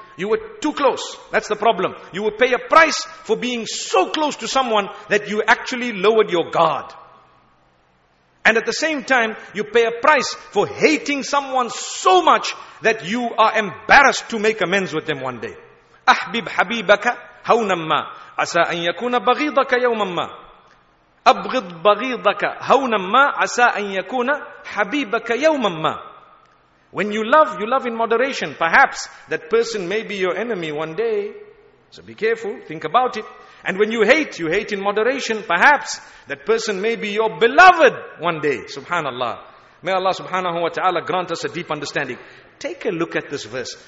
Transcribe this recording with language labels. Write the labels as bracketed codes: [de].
[en] You were too close. That's the problem. You will pay a price for being so close to someone that you actually lowered your guard. And at the same time, you pay a price for hating someone so much that you are embarrassed to make amends with them one day. [ar] أحبب حبيبك هونا ما عسى أن يكون بغيضك يوما ما أبغض بغيضك هونا ما عسى أن يكون حبيبك يوما ما. [en] When you love in moderation. Perhaps that person may be your enemy one day. So be careful, think about it. And when you hate in moderation. Perhaps that person may be your beloved one day. Subhanallah. May Allah subhanahu wa ta'ala grant us a deep understanding. Take a look at this verse.